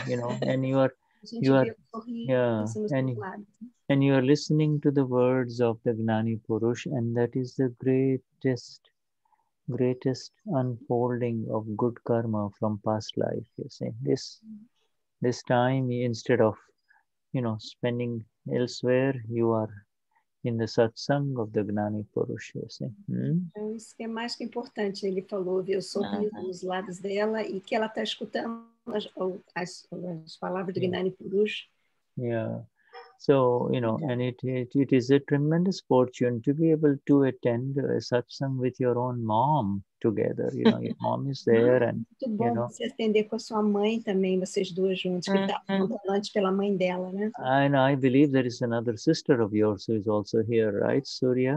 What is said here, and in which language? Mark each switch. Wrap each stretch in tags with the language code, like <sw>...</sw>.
<en>You know, and you are listening to the words of the Gnani Purush, and that is the greatest unfolding of good karma from past life, you see. This time, instead of, you know, spending elsewhere, you are in the satsang of the Gnani Purush, you see.</en> <pt>Isso que é mais que importante, ele falou, viu? Sorriso nos lábios dela e que ela está escutando as palavras do Gnani Purush.</pt> <en>Yeah. So, you know, and it is a tremendous fortune to be able to attend a satsang with your own mom together. You know, your mom is there. And,</en> <pt>muito bom,</pt> <en>you know,</en> <pt>você atender com a sua mãe também, vocês duas juntas, que está falando pela mãe dela, né?</pt> <en>And I believe there is another sister of yours who is also here, right, Surya?</en>